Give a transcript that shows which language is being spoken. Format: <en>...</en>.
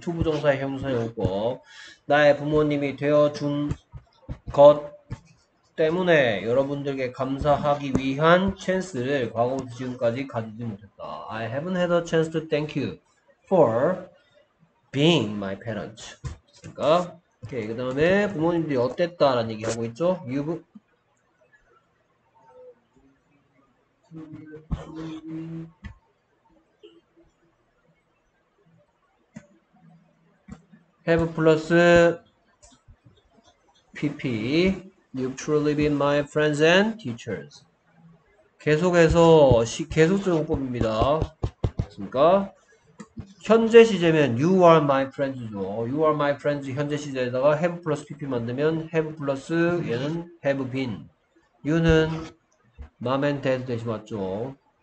<ko>투 부정사의 형용사였고, 나의 부모님이 되어준 것 때문에 여러분들께 감사하기 위한 찬스를 과거부터 지금까지 가지지 못했다.</ko> <en>I haven't had a chance to thank you for being my parents.</en> <ko>그러니까, 오케이. 그 다음에 부모님들이 어땠다라는 얘기 하고 있죠.</ko> <en>You've have 플러스 pp you've truly been my friends and teachers.</en> <ko>계속해서 계속적 용법입니다. 맞습니까? 현재 시제면</ko> <en>you are my friends죠. you are my friends</en> <ko>현재 시제에다가</ko> <en>have 플러스 pp</en> <ko>만들면</ko> <en>have 플러스</en> <ko>얘는</ko> <en>have been, you는 mom and dad</en> <ko>대신 맞죠.</ko>